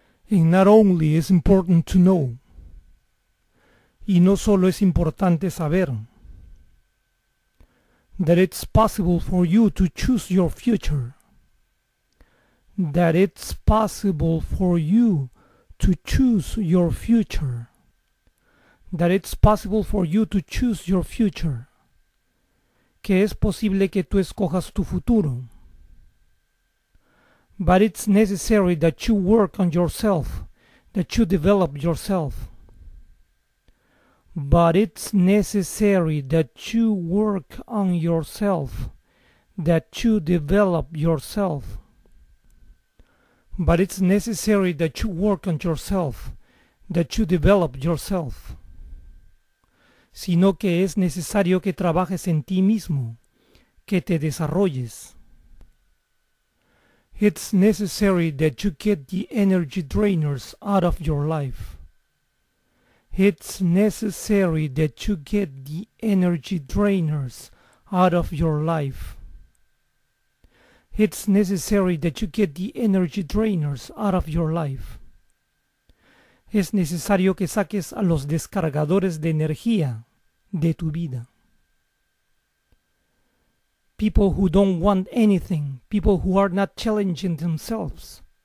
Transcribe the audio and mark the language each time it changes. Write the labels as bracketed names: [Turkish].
[English] And not only is important to know. [Spanish] Y no solo es importante saber [English] that it's possible for you to choose your future. That it's possible for you to choose your future. That it's possible for you to choose your future. [Spanish] Que es posible que tú escojas tu futuro. [English] But it's necessary that you work on yourself, that you develop yourself. But it's necessary that you work on yourself, that you develop yourself. But it's necessary that you work on yourself, that you develop yourself. [Spanish] Sino que es necesario que trabajes en ti mismo, que te desarrolles. [English] It's necessary that you get the energy drainers out of your life. It's necessary that you get the energy drainers out of your life. It's necessary that you get the energy drainers out of your life. [Spanish] Es necesario que saques a los descargadores de energía de tu vida. [English] People who don't want anything, people who are not challenging themselves.